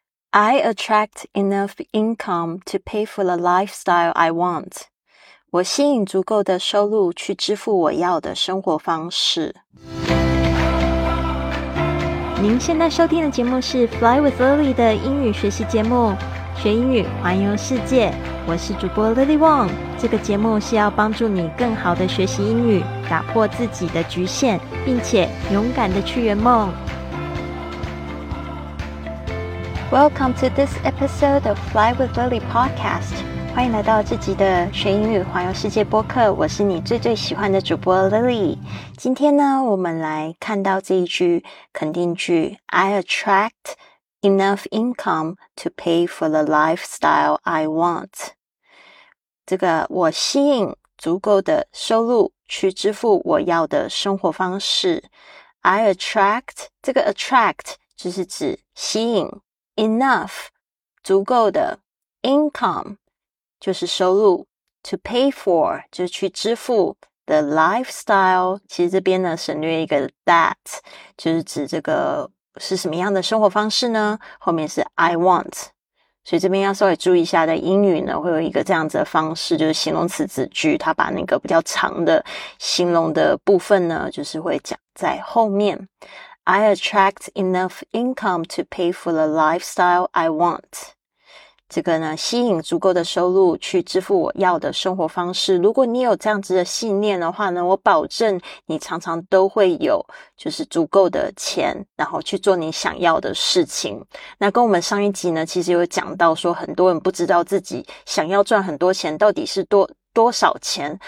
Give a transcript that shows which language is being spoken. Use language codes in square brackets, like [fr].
[en] I attract enough income to pay for the lifestyle I want. [zh] 我吸引足够的收入去支付我要的生活方式。您现在收听的节目是 Fly with Lily 的英语学习节目，学英语环游世界。我是主播 Lily Wong。这个节目是要帮助你更好的学习英语，打破自己的局限，并且勇敢的去圆梦。 [en] Welcome to this episode of Fly with Lily podcast. [zh] 欢迎来到这集的学英语环游世界播客，我是你最最喜欢的主播 Lily。今天呢，我们来看到这一句肯定句， [en] I attract enough income to pay for the lifestyle I want. [zh] 这个我吸引足够的收入去支付我要的生活方式。 [en] I attract, [zh] 这个 attract 就是指吸引，Enough, 足够的 income, 就是收入 [en] to pay for, [zh] 就是去支付 [en] the lifestyle, [zh] 其实这边呢省略一个 that, 就是指这个是什么样的生活方式呢？后面是 [en] I want, [zh] 所以这边要稍微注意一下，在英语呢会有一个这样子的方式，就是形容词子句，它把那个比较长的形容的部分呢就是会讲在后面。 [en] I attract enough income to pay for the lifestyle I want. [zh] 这个呢，吸引足够的收入去支付我要的生活方式。如果你有这样子的信念的话呢，我保证你常常都会有就是足够的钱，然后去做你想要的事情。那跟我们上一集呢，其实有讲到说，很多人不知道自己想要赚很多钱到底是多少钱。